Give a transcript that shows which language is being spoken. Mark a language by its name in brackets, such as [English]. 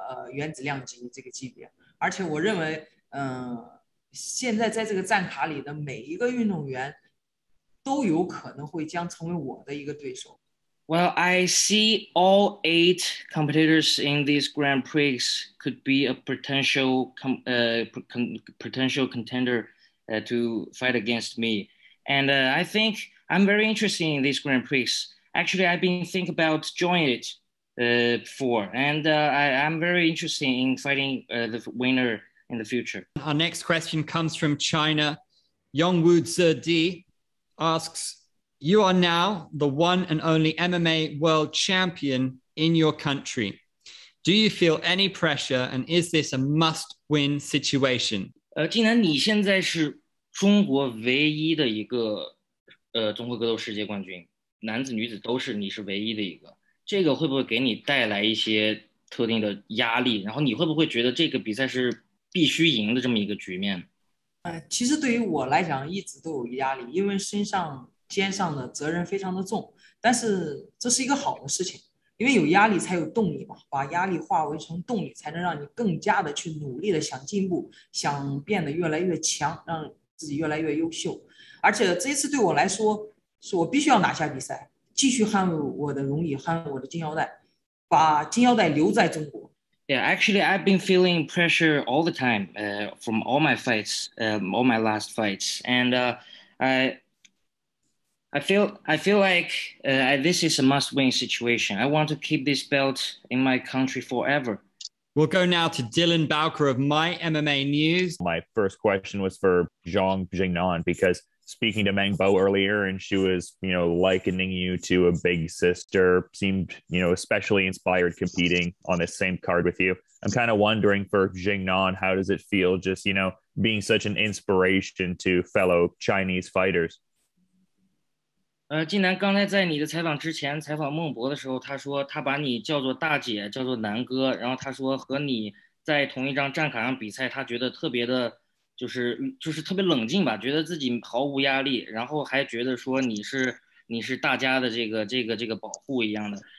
[Chinese] 原子量级这个级别，而且我认为，现在在这个站卡里的每一个运动员，都有可能会将成为我的一个对手。 [English] Well, I see all eight competitors in these Grand Prix could be a potential potential contender to fight against me, and I think I'm very interested in these Grand Prix. Actually, I've been thinking about joining it. I'm very interested in fighting the winner in the future. Our next question comes from China. Yongwu Zedi asks, you are now the one and only MMA world champion in your country. Do you feel any pressure, and is this a must-win situation? [Chinese] 竟然你现在是中国唯一的一个综合格斗世界冠军，男子女子都是，你是唯一的一个，这个会不会给你带来一些特定的压力？然后你会不会觉得这个比赛是必须赢的这么一个局面？其实对于我来讲一直都有压力，因为身上肩上的责任非常的重，但是这是一个好的事情，因为有压力才有动力嘛，把压力化为成动力，才能让你更加的去努力的想进步，想变得越来越强，让自己越来越优秀。而且这一次对我来说是我必须要拿下比赛，继续捍卫我的荣誉，捍卫我的金腰带，把金腰带留在中国。 [English] Yeah, actually, I've been feeling pressure all the time from all my fights, all my last fights. And I feel like this is a must-win situation. I want to keep this belt in my country forever. We'll go now to Dylan Bowker of My MMA News. My first question was for XIONG JING NAN, because speaking to Meng Bo earlier, and she was, you know, likening you to a big sister, seemed, you know, especially inspired competing on the same card with you. I'm kind of wondering for XIONG NAN, how does it feel just, you know, being such an inspiration to fellow Chinese fighters? [Chinese] 金南刚才在你的采访之前采访孟博的时候，他说他把你叫做大姐，叫做南哥，然后他说和你在同一张战卡上比赛，他觉得特别的就是特别冷静吧，觉得自己毫无压力，然后还觉得说你是大家的这个保护一样的。